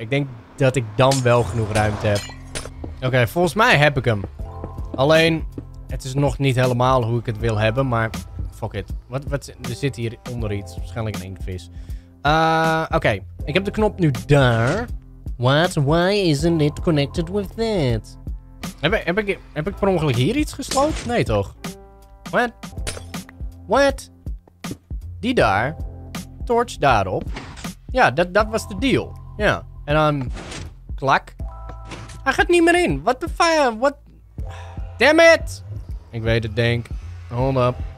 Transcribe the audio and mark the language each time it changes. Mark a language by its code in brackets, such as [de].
[nl] Ik denk dat ik dan wel genoeg ruimte heb. Oké, volgens mij heb ik hem. Alleen, het is nog niet helemaal hoe ik het wil hebben, maar [en] fuck it. [nl] Wat, er zit hier onder iets. Waarschijnlijk een inktvis. Oké, ik heb de knop nu daar. [en] What? Why isn't it connected with that? [nl] Heb ik per ongeluk hier iets gesloten? Nee toch? What? Die daar. Torch daarop. Ja, dat was de deal. Ja. En dan... Klak. Hij gaat niet meer in. [en] What the fire? What? Damn it! [nl] Ik weet het, denk. [en] Hold up.